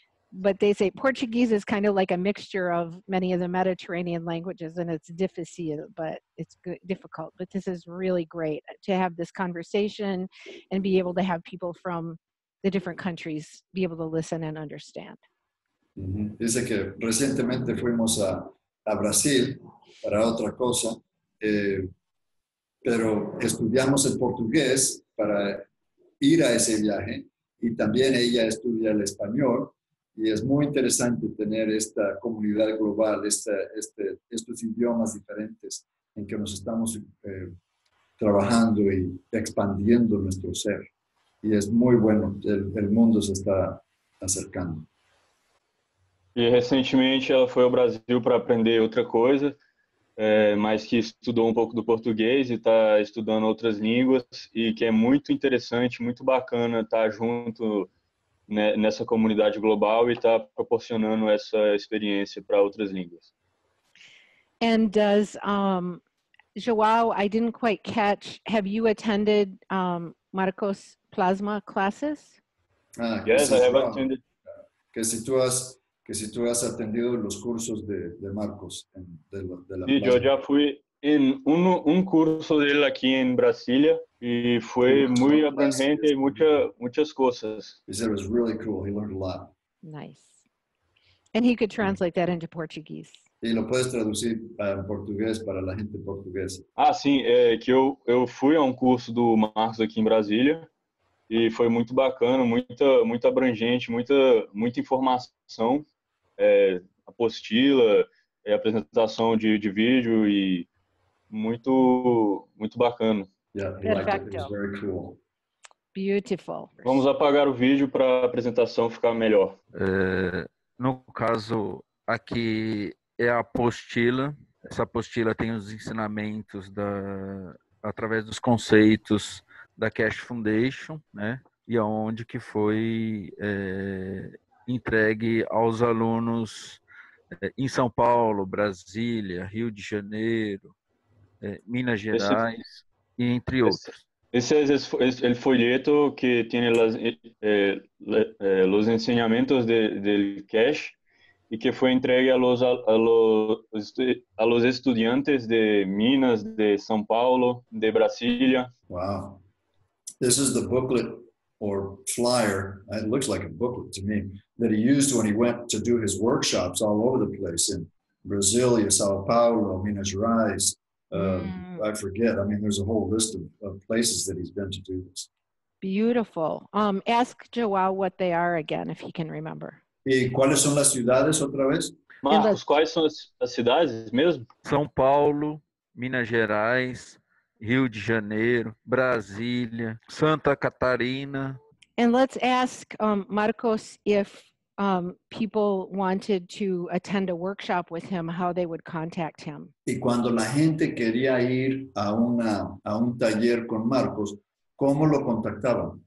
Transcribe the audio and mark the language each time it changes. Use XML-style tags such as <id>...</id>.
<en>But they say Portuguese is kind of like a mixture of many of the Mediterranean languages, and it's difficile, but it's difficult. But this is really great to have this conversation and be able to have people from the different countries be able to listen and understand.</en> <es>Dice que recientemente fuimos a Brasil para otra cosa, pero estudiamos el portugués para ir a ese viaje, y también ella estudia el español. Y es muy interesante tener esta comunidad global, estos idiomas diferentes en que nos estamos trabajando y expandiendo nuestro ser. Y es muy bueno, el mundo se está acercando.</es> <pt>E recentemente ela foi ao Brasil para aprender outra coisa, mas que estudou um pouco do português e está estudando outras línguas, e que é muito interessante, muito bacana estar junto, né, nessa comunidade global e estar proporcionando essa experiência para outras línguas.</pt> <en>And does João, I didn't quite catch, have you attended Marcos Plasma classes? Yes, I have attended.</en> <es>Que si tú has atendido los cursos de Marcos de la sí, yo ya fui en un curso de él aquí en Brasilia, y fue muy aprendente, muchas cosas.</es> <en>He said it was really cool. He learned a lot. Nice. And he could translate that into Portuguese.</en> <es>Y lo puedes traducir en portugués para la gente portuguesa. Ah, sí, que yo fui a un curso de Marcos aquí en Brasilia.</es> <pt>E foi muito bacana, muito abrangente, muita informação, apostila, apresentação de vídeo, e muito, muito bacana.</pt> <es>Perfecto.</es> <en>Beautiful.</en> <pt>Vamos apagar o vídeo para a apresentação ficar melhor. No caso, aqui é a apostila. Essa apostila tem os ensinamentos através dos conceitos da Cash Foundation, né? E aonde que foi entregue aos alunos em São Paulo, Brasília, Rio de Janeiro, Minas Gerais, entre outros. Esse é o folheto que tem os ensinamentos do Cash, e que foi entregue aos estudantes de Minas, de São Paulo, de Brasília.</pt> <en>Uau! This is the booklet or flyer. It looks like a booklet to me, that he used when he went to do his workshops all over the place in Brasília, São Paulo, Minas Gerais. I forget. I mean, there's a whole list of places that he's been to do this. Beautiful. Ask João what they are again, if he can remember.</en> <pt>E quais são as cidades outra vez? Marcos, quais são as cidades mesmo? São Paulo, Minas Gerais, Rio de Janeiro, Brasília, Santa Catarina.</pt> <en>And let's ask Marcos if people wanted to attend a workshop with him, how they would contact him.</en> <es>Y cuando la gente quería ir a un taller con Marcos, como lo contactaban?</es>